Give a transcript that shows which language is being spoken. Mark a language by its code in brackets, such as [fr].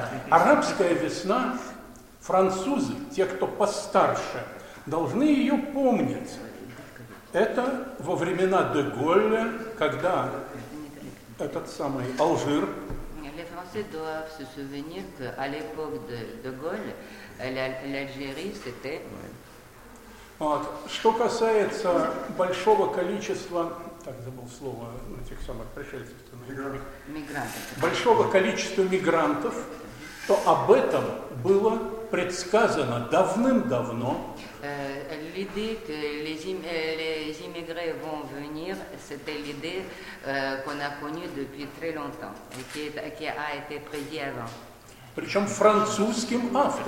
[ru] Арабская весна, французы, те, кто постарше, должны ее помнить. Это во времена де Голля, когда этот самый Алжир... [fr] Les Français doivent se souvenir qu'à l'époque de Gaulle, l'Algérie, c'était... [ru] Вот. Что касается большого количества... Так, забыл слово на тех самых пришельцев. Мигрантов. Большого количества мигрантов, то об этом было предсказано давным-давно. [fr] L'idée que les immigrés vont venir, c'était l'idée qu'on a connue depuis très longtemps, et qui a été prédit avant. [ru] Причем французским автором.